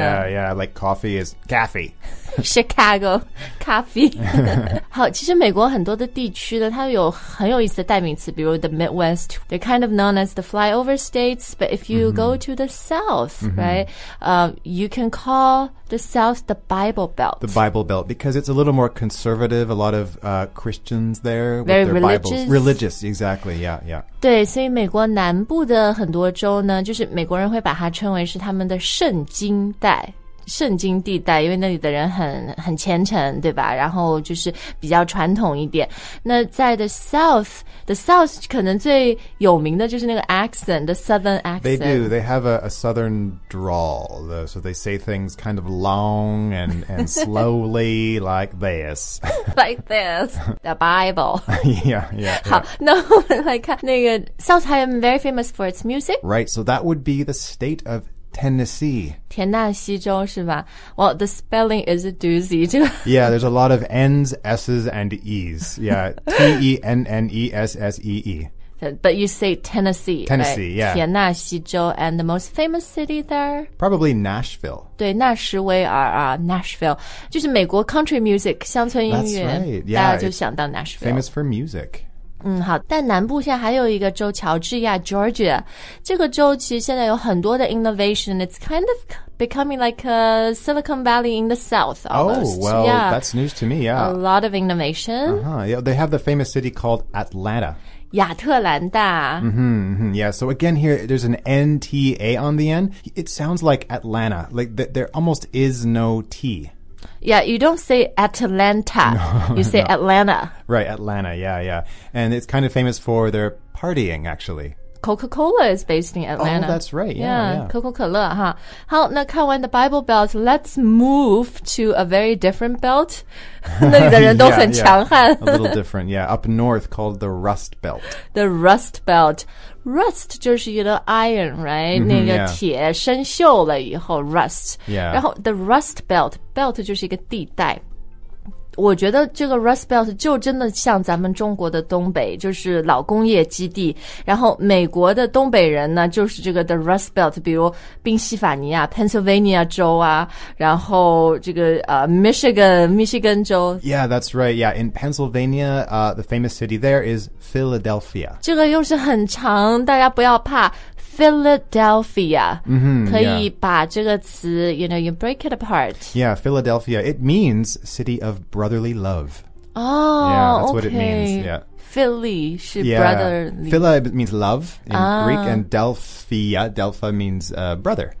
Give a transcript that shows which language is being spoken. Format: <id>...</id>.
<en>Yeah, yeah, like coffee is caffeine. Chicago, coffee.</en> <zh>好，其实美国很多的地区呢，它有很有意思的代名词，比如 the Midwest.</zh> <en>They're kind of known as the flyover states, but if you、mm-hmm. go to the South,、mm-hmm. right,、you can call the South the Bible Belt. The Bible Belt, because it's a little more conservative, a lot of、Christians there with、 Very、 their religious. Religious, exactly, yeah, yeah.</en> <zh>对，所以美国南部的很多州呢，就是美国人会把它称为是他们的圣经带。圣经地带，因为那里的人很虔诚，对吧？然后就是比较传统一点。那在 the South 可能最有名的就是那个 accent,</zh> <en>the southern accent. They do. They have a southern drawl, so they say things kind of long and slowly like this. Like this. The Bible. Yeah.</en> <zh>好，那我们来看那个 South 还有</zh> <en>very famous for its music. Right, so that would be the state of Tennessee.</en> <zh>田纳西州是吧</zh> <en>Well, the spelling is a doozy. Yeah, there's a lot of N's, S's, and E's. Yeah, T-E-N-N-E-S-S-E-E. But you say Tennessee. Tennessee, right? Yeah.</en> <zh>田纳西州</zh> <en>and the most famous city there? Probably Nashville.</en> <zh>对纳什维尔啊 Nashville. 就是美国 country music, 乡村音乐</zh> <en>That's right, yeah.</en> <zh>大家就想到 Nashville.</zh> <en>Famous for music.</en> <zh>嗯，好。但南部现在还有一个州，乔治亚 Georgia， 这个州其实现在有很多的 innovation.</zh> <en>It's kind of becoming like a Silicon Valley in the South. Oh, well, that's news to me. Yeah, a lot of innovation. Yeah, they have the famous city called Atlanta.</en> <zh>亚特兰大</zh> <en>Yeah. So again, here there's an N T A on the end. It sounds like Atlanta. Like there almost is no T. Yeah, you don't say Atlanta, no, you say no. Atlanta. Right, Atlanta, yeah. And it's kind of famous for their partying, actually. Coca-Cola is based in Atlanta. Oh, that's right, yeah. Coca-Cola, huh?</en> <zh>好，那看完</zh> <en>the Bible Belt, let's move to a very different belt.</en> <zh>那里的人都很强悍。</zh> <en>Yeah, a little different, yeah. Up north called the Rust Belt. The Rust Belt. Rust</en> <zh>就是一个</zh> <en>iron, right? Mm-hmm,</en> <zh>那个铁生锈了以后 rust.</zh> <en>Yeah.</en> <zh>然后 the Rust Belt, belt 就是一个地带。我觉得这个 Rust Belt 就真的像咱们中国的东北，就是老工业基地。然后美国的东北人呢，就是这个 the Rust Belt， 比如宾夕法尼亚 Pennsylvania 州啊，然后这个Michigan 州。</zh> <en>Yeah, that's right. Yeah, in Pennsylvania, the famous city there is Philadelphia.</en> <zh>这个又是很长，大家不要怕。</zh> <en>Philadelphia, mm-hmm,</en> <zh>可以把这个词</zh> <en>you know, you break it apart. Yeah, Philadelphia, it means city of brotherly love. Oh, yeah, that's okay. What it means, yeah. Philly</en> <zh>是</zh> <en>brotherly. Philly means love in Greek, and Delphia means brother.</en>